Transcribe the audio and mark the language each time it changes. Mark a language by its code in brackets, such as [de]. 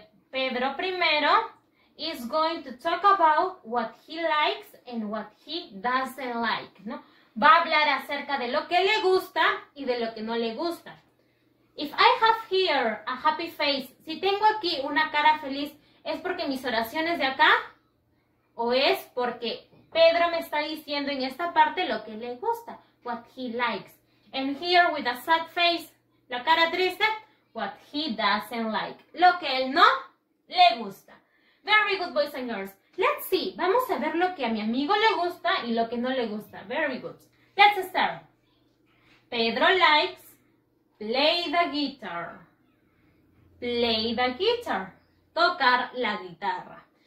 [en] Pedro primero is going to talk about what he likes and what he doesn't like, ¿no? [es] Va a hablar acerca de lo que le gusta y de lo que no le gusta. [en] If I have here a happy face, [es] si tengo aquí una cara feliz, ¿es porque mis oraciones de acá? ¿O es porque Pedro me está diciendo en esta parte lo que le gusta? [en] What he likes. And here with a sad face, [es] la cara triste, [en] what he doesn't like. [es] Lo que él no le gusta. [en] Very good, boys and girls. Let's see. [es] Vamos a ver lo que a mi amigo le gusta y lo que no le gusta. [en] Very good. Let's start. Pedro likes play the guitar. Play the guitar. [es] Tocar la guitarra.